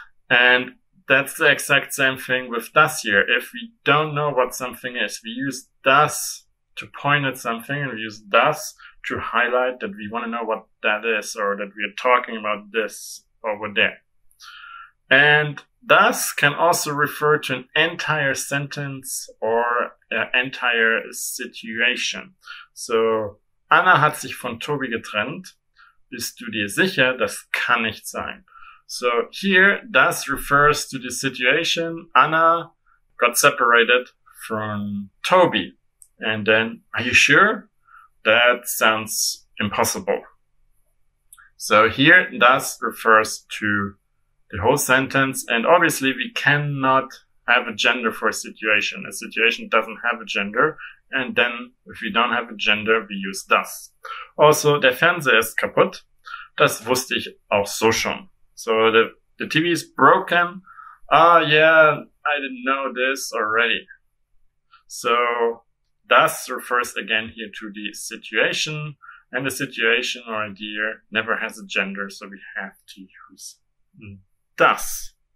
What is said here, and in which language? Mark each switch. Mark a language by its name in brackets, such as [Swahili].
[English] And that's the exact same thing with das here. If we don't know what something is, we use das to point at something and we use das to highlight that we want to know what that is or that we are talking about this over there. And das can also refer to an entire sentence or an entire situation. [German] So, Anna hat sich von Tobi getrennt. Bist du dir sicher? Das kann nicht sein. [English] So here, das refers to the situation. Anna got separated from Toby. And then, are you sure? That sounds impossible. So here, das refers to the whole sentence. And obviously, we cannot have a gender for a situation. A situation doesn't have a gender. And then, if we don't have a gender, we use das. [German] Also, der Fernseher ist kaputt. Das wusste ich auch so schon. [English] So the TV is broken. I didn't know this already. So das refers again here to the situation, and the situation or idea never has a gender, so we have to use das.